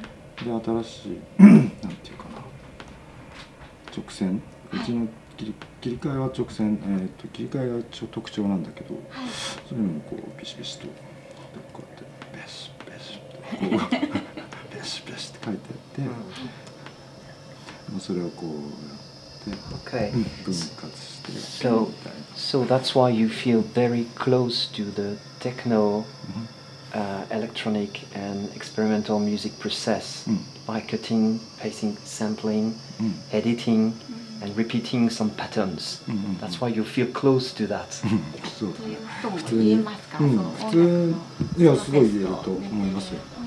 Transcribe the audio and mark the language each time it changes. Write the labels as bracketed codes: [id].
[ja] で新しいなんていうかな、直線、はい、うちの切り替えは直線、切り替えが特徴なんだけど、はい、それもこうビシビシとこうやってベシベシってこうベシベシって書いてあって、うん、まあ、それをこうやって、 okay. 分割して、 so, みたいな。 [en] So that's why you feel very close to the techno, electronic and experimental music process by cutting, pacing, sampling, editing and repeating some patterns. That's why you feel close to that. [ja] そう。普通に、普通、いや、すごい言えると思いますよ。